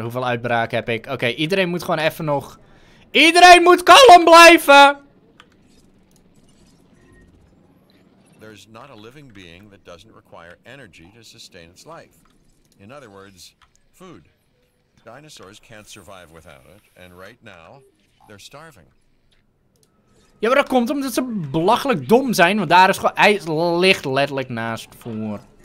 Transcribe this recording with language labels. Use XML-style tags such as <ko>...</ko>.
<nl>Hoeveel uitbraken heb ik? Oké, iedereen moet gewoon even nog. Iedereen moet kalm blijven!</nl> <en>There's not a living being that doesn't require energy to sustain its life. In other words, food. Dinosaurs can't survive without it, and right now, they're starving.</en> <nl>Ja, maar dat komt omdat ze belachelijk dom zijn, want daar is gewoon ijs ligt letterlijk naast voor.</nl>